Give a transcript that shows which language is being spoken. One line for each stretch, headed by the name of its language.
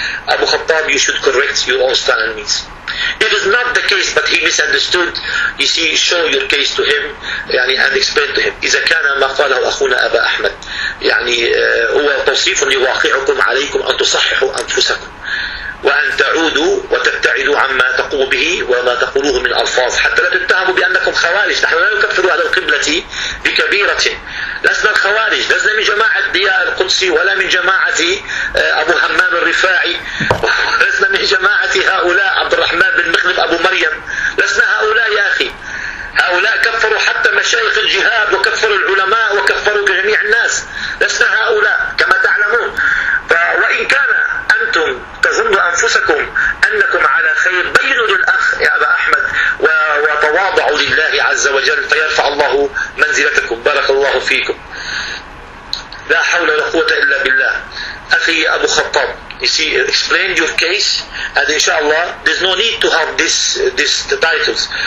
English: Abu Khattab, you should correct your own style and means. It is not the case, but he misunderstood. You see, show your case to him, يعني, and explain to him.
Arabic: إذا كان ما قاله أخونا أبا أحمد يعني هو توصيف لواقعكم عليكم أن تصححوا أنفسكم وأن تعودوا وتبتعدوا عما تقوم به وما تقولوه من ألفاظ حتى لا تتهموا بأنكم خوارج. نحن لا نكفر على القبلة بكبيرة. لسنا الخوارج، لسنا من جماعة ديار القدسي ولا من جماعة أبو حمام الرفاعي، لسنا من جماعة هؤلاء عبد الرحمن بن مخلف أبو مريم، لسنا هؤلاء يا أخي. هؤلاء كفروا حتى مشايخ الجهاد وكفروا العلماء وكفروا جميع الناس، لسنا هؤلاء كما تعلمون. وإن كان أنتم تظنوا أنفسكم أنكم على خير، بينوا للأخ يا أبا أحمد وتواضعوا لله عز وجل فيرفع الله منزلتكم، بارك الله فيكم. لا حول ولا قوة إلا بالله. أخي أبو خطاب،
English: you see, explain your case, and inshallah, there's no need to have this the titles.